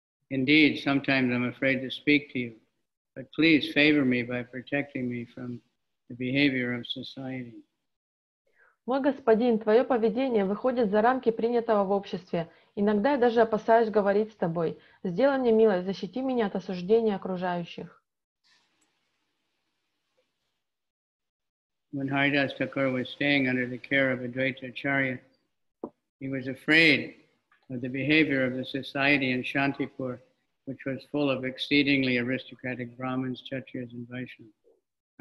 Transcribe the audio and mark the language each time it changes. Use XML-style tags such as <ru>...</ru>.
<en>Indeed, sometimes I'm afraid to speak to you, but please favor me by protecting me from the behavior of society.</en> <ru>Мой господин, твое поведение выходит за рамки принятого в обществе. Иногда я даже опасаюсь говорить с тобой. Сделай мне милость, защити меня от осуждения окружающих.</ru> <en>When Haridāsa Thakura was staying under the care of Advaita Acharya, he was afraid of the behavior of the society in Shantipur, which was full of exceedingly aristocratic Brahmins, Kshatriyas, and Vaishnavas.</en>